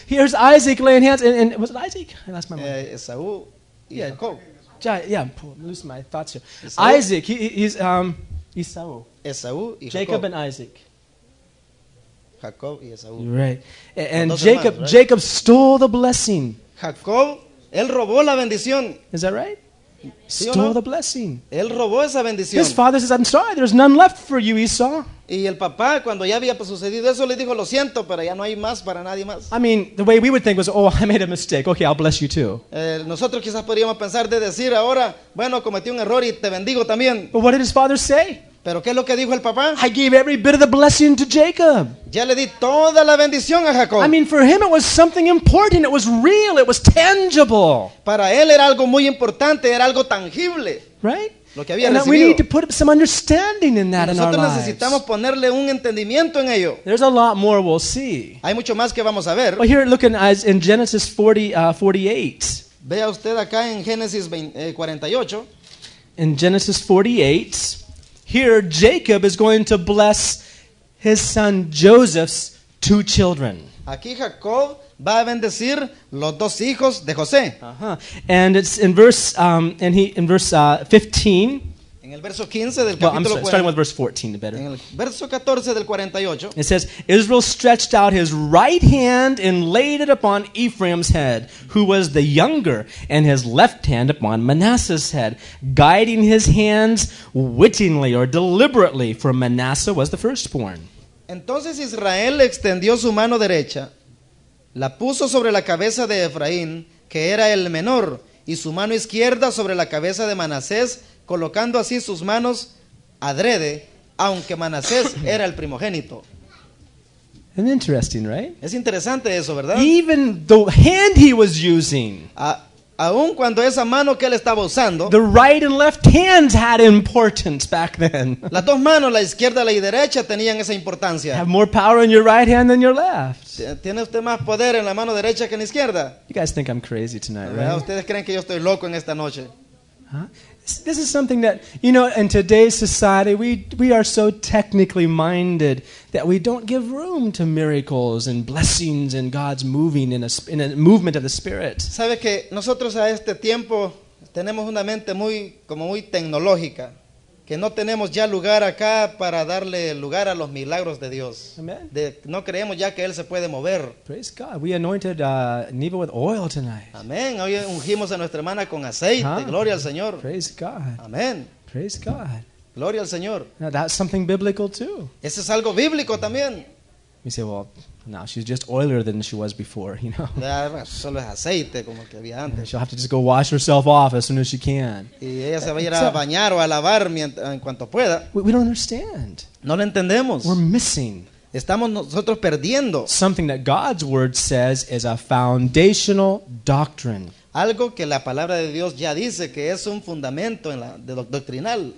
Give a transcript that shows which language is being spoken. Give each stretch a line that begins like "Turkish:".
English: Here's Isaac laying hands, and was it Isaac? I lost my mind. Esau. Yeah, Jacob. Yeah, I'm losing my thoughts here. Isaac. He's Esau. Esau. Jacob and Isaac. Jacob and Esau. Right, and Jacob. Right? Jacob stole the blessing.
Spanish: Jacob, él robó la bendición.
English: Is that right? Stole the blessing.
Spanish: Él robó esa bendición.
English: His father says, "I'm sorry. There's none left for you, Esau."
Spanish: Y el papá, cuando ya había sucedido eso, le dijo, "Lo siento, pero ya no hay más para nadie más."
English: I mean, the way we would think was, "Oh, I made a mistake. Okay, I'll bless you too."
Spanish: Nosotros quizás podríamos pensar de decir ahora, bueno, cometí un error y te bendigo también.
English: But what did his father say?
Spanish: Pero qué es lo que dijo el papá?
English: I gave every bit of the blessing to Jacob.
Spanish: Ya le di toda la bendición a Jacob.
English: I mean, for him it was something important. It was real. It was tangible.
Spanish: Para él era algo muy importante. Era algo tangible.
English: Right?
Spanish: Lo que había
English: and
Spanish: recibido.
English: We need to put some understanding in that in our lives.
Spanish: Nosotros necesitamos ponerle un entendimiento en ello.
English: There's a lot more we'll see.
Spanish: Hay mucho más que vamos a ver.
English: Well, here, look in Genesis 48.
Spanish: Vea usted acá en Génesis 48.
English: In Genesis 48. Here, Jacob is going to bless his son Joseph's two children.
Spanish: Aquí Jacob va a bendecir los dos hijos de José.
English: Uh-huh. And it's in verse 15.
Spanish: En el verso 15 del capítulo.
English: Well, I'm sorry, starting with verse 14, better.
Spanish: En el verso 14 del 48.
English: It says, Israel stretched out his right hand and laid it upon Ephraim's head, who was the younger, and his left hand upon Manasseh's head, guiding his hands wittingly or deliberately, for Manasseh was the firstborn.
Spanish: Entonces Israel extendió su mano derecha, la puso sobre la cabeza de Efraín, que era el menor, y su mano izquierda sobre la cabeza de Manasés, colocando así sus manos adrede, aunque Manasés era el primogénito.
English: It's interesting, right?
Spanish: Es interesante eso, ¿verdad?
English: Even the hand he was using.
Spanish: Aun cuando esa mano que él estaba usando.
English: The right and left hands had importance back then.
Spanish: Las dos manos, la izquierda y la derecha, tenían esa importancia.
English: Have more power in your right hand than your left.
Spanish: Tiene usted más poder en la mano derecha que en la izquierda.
English: You guys think I'm crazy tonight, right?
Spanish: ¿Ustedes creen que yo estoy loco en esta noche?
English: This is something that, you know, in today's society, we are so technically minded that we don't give room to miracles and blessings and God's moving in a movement of the Spirit.
Spanish: ¿Sabe que nosotros a este tiempo tenemos una mente muy, como muy tecnológica? Que no tenemos ya lugar acá para darle lugar a los milagros de Dios.
English: Amen.
Spanish: De, no creemos ya que Él se puede mover.
English: Praise God. We anointed Neva with oil tonight.
Spanish: Amén. Hoy ungimos a nuestra hermana con aceite.
English: Huh?
Spanish: Gloria al Señor.
English: Praise God.
Spanish: Amén.
English: Praise God.
Spanish: Gloria al Señor.
English: Now that's something biblical too.
Spanish: Eso es algo bíblico también.
English: We say, well, now she's just oilier than she was before, you know.
Spanish: Solo es aceite como que había antes.
English: She'll have to just go wash herself off as soon as she can.
Spanish: Y ella se va a ir a bañar o a lavar en cuanto pueda.
English: We don't understand.
Spanish: No lo entendemos.
English: We're missing.
Spanish: Estamos nosotros perdiendo.
English: Something that God's word says is a foundational doctrine.
Spanish: Algo que la palabra de Dios ya dice que es un fundamento en la de doctrinal.